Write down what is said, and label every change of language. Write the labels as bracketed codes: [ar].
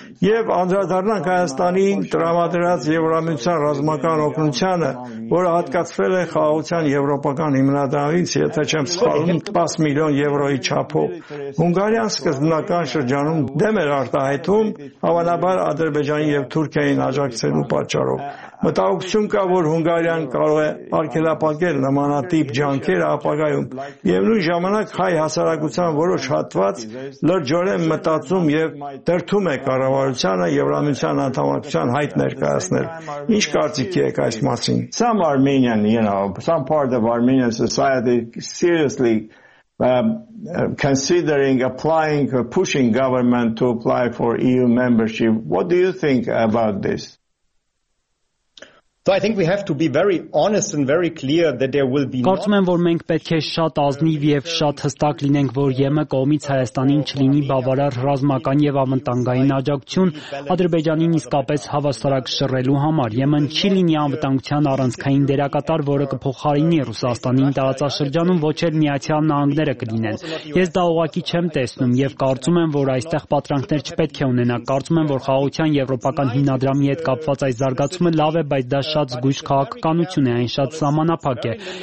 [hy] եւ անդրադառնանք Հայաստանի տրամադրած եվրամիության ռազմական օգնությանը, որը հատկացվել է խաղաղության եվրոպական հիմնադրամից, եթե չեմ սխալվում, 10 միլիոն եվրոյի չափով։ Հունգարիան սկզբնական շրջանում դեմ էր արտահայտում, հավանաբար Ադրբեջանի եւ Թուրքիային աջակցելու պատճառով։ Մտահոգություն կա, որ Հունգարիան կարող է արգելափակել նմանատիպ ջանքեր ապագայում, եւ նույն ժամանակ հայ հասարակության որոշ հատված լրջորեն մտածում եւ դրդում է կառավարությանը եվրամիության անդամակցության հայտ ներկայացնել։ Ինչ կարծիք եք այս մասին? [en] Some Armenian, you know, some part of Armenian society seriously considering applying or pushing government to apply for EU membership. What do you think about this? So I think we have to be very honest and very clear that there will be. [hy] Կարծում եմ, որ մենք պետք է շատ ազնիվ եւ շատ հստակ լինենք, որ ԵՄ-ը կողմից Հայաստանին չլինի բավարար ռազմական եւ անվտանգային աջակցություն Ադրբեջանին իսկապես հավասարակ շռելու համար։ ԵՄ-ն չի լինի անվտանգության առանցքային դերակատար, որը կփոխարինի Ռուսաստանի տարածաշրջանում, ոչ էլ Միացյալ Նահանգները կլինեն։ Ես դա ուղղակի չեմ տեսնում եւ կարծում եմ, որ այստեղ պատրանքներ չպետք է ունենա։ Կարծում եմ, որ խաղաղության եվրոպական հիմնադրամի հետ կապված այս զարգացումը լավ է, բայց դա շատ զգույշ քաղաքականություն է, այն շատ սահմանափակ է։